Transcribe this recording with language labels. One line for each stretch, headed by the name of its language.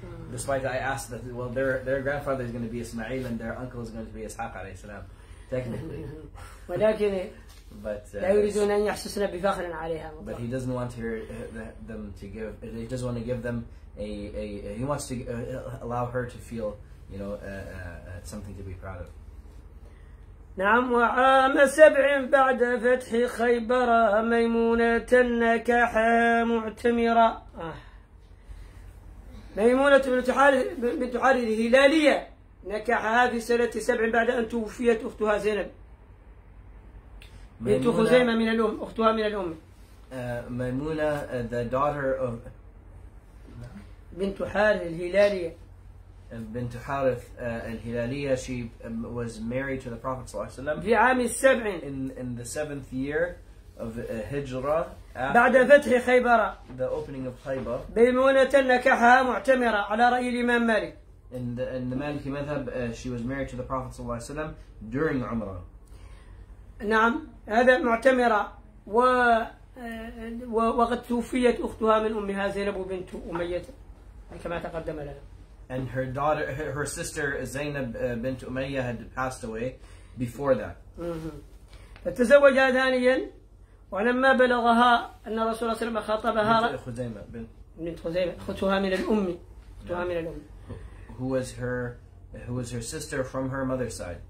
English: Despite I asked that, well, their grandfather is going to be Ismail and their uncle is going to be Ishaq alayhi salam, technically. But he doesn't want her, them to give. He doesn't want to give them a. He wants to allow her to feel, you know, something to be proud of.
Arabic: نعم وعام سبع بعد فتح خيبر ميمونة نكح معتمرة. ميمونة بنت حارث الهلالية نكحها في سنة سبع بعد أن توفيت أختها زينب بنت خزيمة من الأم أختها من الأم.
English: ميمونة the daughter of
Arabic: بنت حارث الهلالية. بنت حارث الهلالية
English: she was married to the Prophet صلى الله عليه وسلم
Arabic: في عام السبع
English: in the seventh year of Hijra.
Arabic: بعد فتح خيبر
English: the opening of Khaybar
Arabic: ميمونة نكحها معتمرة على رأي الإمام مالك
English: in the Maliki madhab she was married to the Prophet صلى الله عليه وسلم during Umrah.
Arabic: نعم هذا معتمرة وقد توفيت أختها من أمها زينب بنت أمية كما تقدم لنا.
English: And her daughter, her sister Zainab bint Umayya had passed away before that.
Arabic: فتزوجها ثانيا ولما بلغها أن رسول الله صلى الله عليه وسلم خطبها خزيمة بنت خزيمة أختها من الأم أختها من الأم.
English: Who was her sister from her mother's side.